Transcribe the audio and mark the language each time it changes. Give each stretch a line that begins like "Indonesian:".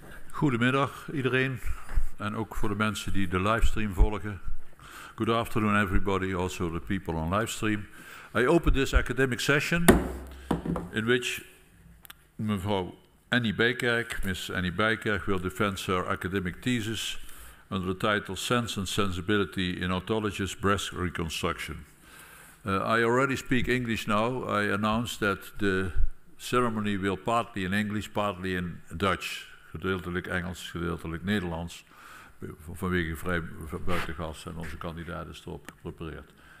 Dutch: Goedemiddag iedereen en ook voor de mensen die de livestream volgen.
English: Good afternoon everybody, also the people on livestream. I open this academic session in which mevrouw Annie Bijkerk, Miss Annie Bijkerk, will defend her academic thesis under the title Sense and Sensibility in Autologous Breast Reconstruction. I already speak English now. I announce that the ceremony will partly in English, partly in Dutch.
Dutch: Gedeeltelijk Engels, gedeeltelijk Nederlands, vanwege vrij buitengast en onze kandidaat is erop geprepareerd.